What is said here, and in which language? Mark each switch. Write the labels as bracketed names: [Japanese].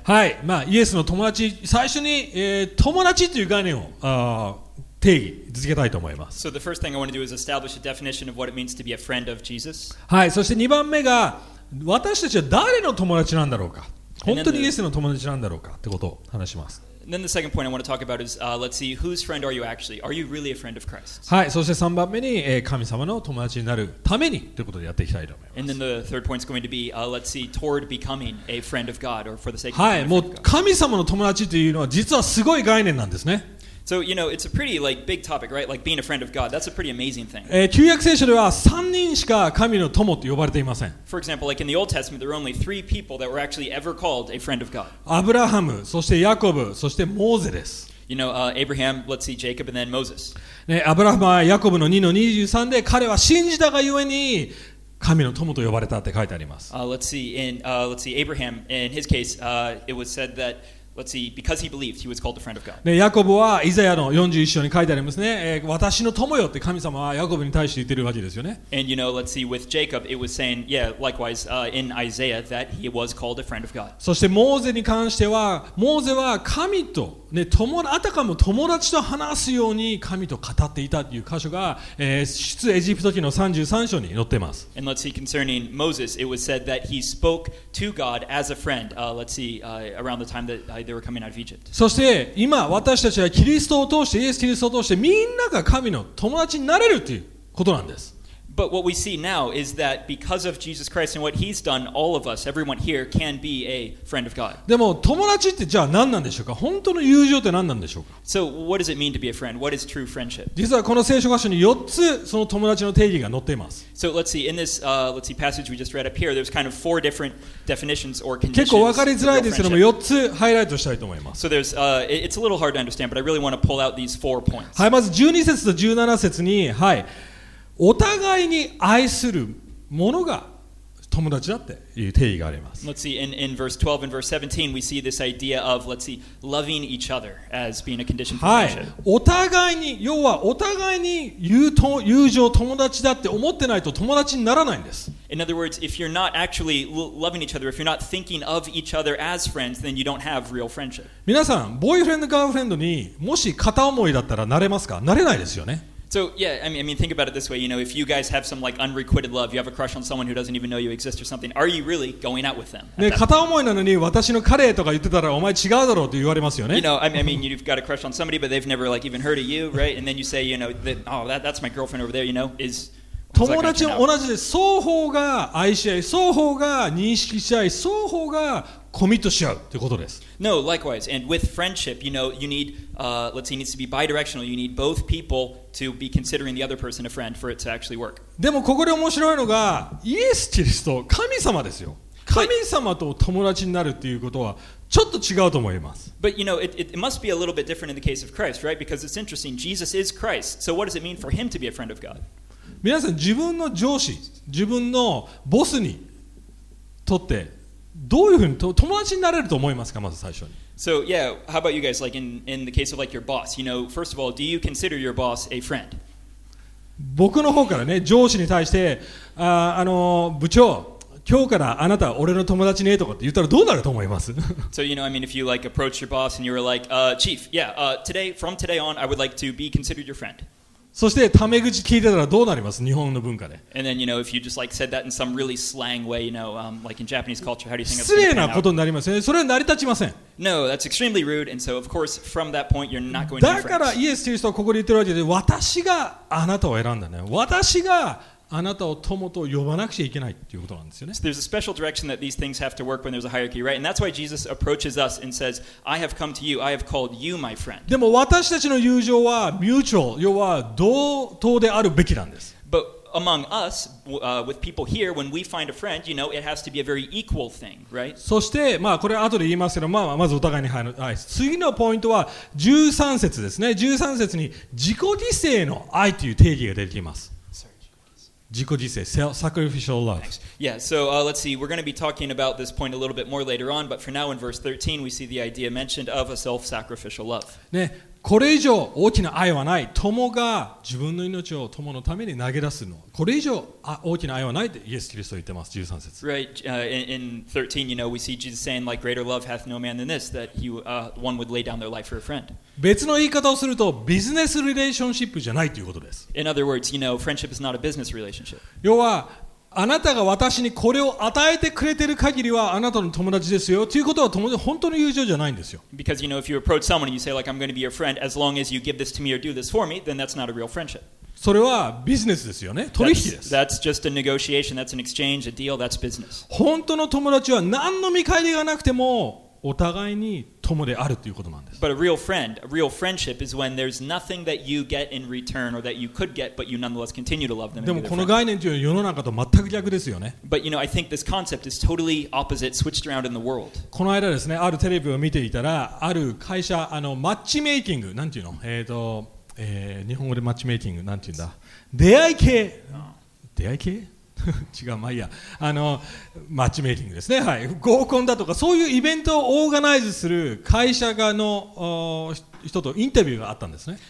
[Japanese] はい、まあ、イエスの友達、最初に、友達という概念を定義続けたいと思います。 [English] So the first thing I want to do is establish a definition of what it means to be a friend of Jesus. [Japanese] はい、そして2番目が、私たちは誰の友達なんだろうか。本当にイエスの友達なんだろうかってことを話します。 [English] Then the second point I want to talk about is, let's see, whose friend are you actually? Are you really a friend of Christ? [Japanese] はい、そして3番目に、神様の友達になるためにということでやっていきたいと思います。 [English] And then the third point is going to be, let's see, toward becoming a friend of God or for the sake of a friend of God. [Japanese] はい、もう神様の友達というのは実はすごい概念なんですね。 [English] So, you know, it's a pretty like, big topic, right? Like being a friend of God, that's a pretty amazing thing. [Japanese] 旧約聖書では3人しか神の友と呼ばれていません。 [English] For example, like in the Old Testament, there were only three people that were actually ever called a friend of God. [Japanese] アブラハム、そしてヤコブ、そしてモーゼです。 [English] You know, Abraham, let's see, Jacob, and then Moses. [Japanese] ね、アブラハムはヤコブの2の23で彼は信じたがゆえに神の友と呼ばれたって書いてあります。 [English] Let's see. Abraham, in his case, it was said that, let's see, because he believed, he was called a friend of God. [Japanese] ヤコブはイザヤの41章に書いてありますね。私の友よって神様はヤコブに対して言ってるわけですよね。 [English] And you know, let's see, with Jacob, it was saying, yeah, likewise, in Isaiah, that he was called a friend of God. [Japanese] そしてモーゼに関しては、モーゼは神と、ね、あたかも友達と話すように神と語っていたという箇所が、出エジプト記の33章に載っています。 [English] And let's see, concerning Moses, it was said that he spoke to God as a friend, let's see, around the time that they were coming out of Egypt. [Japanese] そして今私たちはキリストを通して、イエスキリストを通してみんなが神の友達になれるということなんです。 [English] But what we see now is that because of Jesus Christ and what he's done, all of us, everyone here, can be a friend of God. [Japanese] でも友達ってじゃあ何なんでしょうか？本当の友情って何なんでしょうか？ [English] So what does it mean to be a friend? What is true friendship? [Japanese] 実はこの聖書箇所に4つその友達の定義が載っています。 [English] So let's see, in this, passage we just read up here, there's kind of four different definitions or conditions. [Japanese] 結構わかりづらいですけども4つハイライトしたいと思います。 [English] So there's, it's a little hard to understand, but I really want to pull out these four points. [Japanese] はい、まず12節と17節に、はい。お互いに愛するものが友達だっていう定義があります。 [English] Let's see, in verse 12 and verse 17, we see this idea of, let's see, loving each other as being a condition for friendship. [Japanese] はい。お互いに、要はお互いに友情、友達だって思ってないと友達にならないんです。 [English] In other words, if you're not actually loving each other, if you're not thinking of each other as friends, then you don't have real friendship. [Japanese] 皆さん、ボーイフレンド、ガールフレンドにもし片思いだったらなれますか？なれないですよね。 [English] So yeah, I mean, think about it this way. You know, if you guys have some like unrequited love, you have a crush on someone who doesn't even know you exist or something. Are you really going out with them? [Japanese] ね、片思いなのに私の彼とか言ってたらお前違うだろうって言われますよね。 [English] You know, I mean, you've got a crush on somebody, but they've never like even heard of you, right? And then you say, you know, that, oh, that's my girlfriend over there. You know, is [Japanese] 友達も同じで双方が愛し合い、双方が認識し合い、双方がコミットし合うということです。 [English] No, likewise. And with friendship, you know, you need, let's see, it needs to be bi-directional. You need both people to be considering the other person a friend for it to actually work. [Japanese] でもここで面白いのが、イエス・キリスト、神様ですよ。神様と友達になるっていうことはちょっと違うと思います。 [English] But you know, it must be a little bit different in the case of Christ, right? Because it's interesting, Jesus is Christ. So what does it mean for him to be a friend of God? [Japanese] 皆さん、自分の上司、自分のボスにとって、どういうふうに友達になれると思いますか、まず最初に。 [English] So, yeah, how about you guys, like in the case of like your boss, you know, first of all, do you consider your boss a friend? [Japanese] 僕の方からね、上司に対して、部長、今日からあなたは俺の友達ねとかって言ったらどうなると思います [English] So, you know, I mean, if you like approach your boss and you were like, chief, yeah, today, from today on, I would like to be considered your friend. [Japanese] そしてタメ口聞いてたらどうなります？日本の文化で。 [English] And then, you know, if you just like said that in some really slang way, you know, like in Japanese culture, how do you think it's going to turn out? [Japanese] 失礼なことになりますよね。それは成り立ちません。 [English] No, that's extremely rude. And so, of course, from that point, you're not going to be friends. [Japanese] だからイエス・キリストはここで言ってるわけで、私があなたを選んだね。私があなたを友と呼ばなくちゃいけないということなんですよね。 [English] So there's a special direction that these things have to work when there's a hierarchy, right? And that's why Jesus approaches us and says, I have come to you, I have called you my friend. [Japanese] でも私たちの友情は mutual, 要は同等であるべきなんです。 [English] But among us, with people here, when we find a friend, you know, it has to be a very equal thing, right? [Japanese] そして、まあこれは後で言いますけど、まあまずお互いに入る。はい。次のポイントは13節ですね。13節に自己犠牲の愛という定義が出てきます。自己犠牲、 [English] sacrificial love. Yeah, so let's see. We're going to be talking about this point a little bit more later on, but for now in verse 13, we see the idea mentioned of a self-sacrificial love. [Japanese] ね、これ以上大きな愛はない。友が自分の命を友のために投げ出すの。これ以上大きな愛はないってイエス・キリスト言ってます。13節。 [English] Right, in 13, you know, we see Jesus saying, like, greater love hath no man than this, that he, one would lay down their life for a friend. [Japanese] 別の言い方をすると、ビジネスリレーションシップじゃないということです。 [English] In other words, you know, friendship is not a business relationship. [Japanese] 要は、あなたが私にこれを与えてくれている限りはあなたの友達ですよということは友達本当の友情じゃないんですよ。 [English] Because you know, if you approach someone and you say like, I'm going to be your friend, as long as you give this to me or do this for me, then that's not a real friendship. [Japanese] それはビジネスですよね。取引です。 [English] That's just a negotiation. That's an exchange, a deal. That's business. [Japanese] 本当の友達は何の見返りがなくてもお互いに友であるということなんです。 [English] But a real friend, a real friendship is when there's nothing that you get in return or that you could get, but you nonetheless continue to love them. [Japanese] でもこの概念というのは世の中と全く逆ですよね。 [English] But you know, I think this concept is totally opposite, switched around in the world. [Japanese] この間ですね、あるテレビを見ていたら、ある会社、マッチメイキング、なんていうの？日本語でマッチメイキング、なんていうんだ？出会い系。出会い系？違う、まあいいや、マッチメイキングですね、はい、合コンだとかそういうイベントをオーガナイズする会社側の人とインタビューがあったんですね。